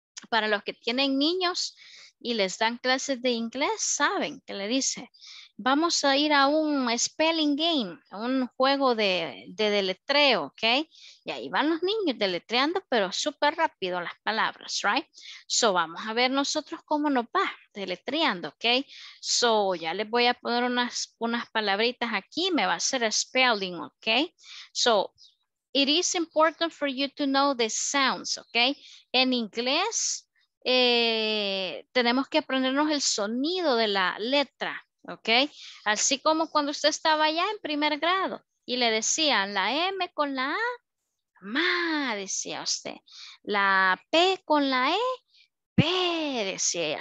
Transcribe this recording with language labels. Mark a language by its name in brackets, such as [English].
[Spanish] Para los que tienen niños y les dan clases de inglés, saben que le dice, vamos a ir a un spelling game, un juego de deletreo, ¿ok? Y ahí van los niños deletreando, pero súper rápido las palabras, right? So, vamos a ver nosotros cómo nos va deletreando, ¿ok? So, ya les voy a poner unas palabritas aquí, me va a hacer spelling, ¿ok? [English] So, it is important for you to know the sounds, ¿ok? [Spanish] En inglés, tenemos que aprendernos el sonido de la letra, ¿ok? Así como cuando usted estaba allá en primer grado y le decían la M con la A, ma, decía usted. La P con la E, P, decía ella.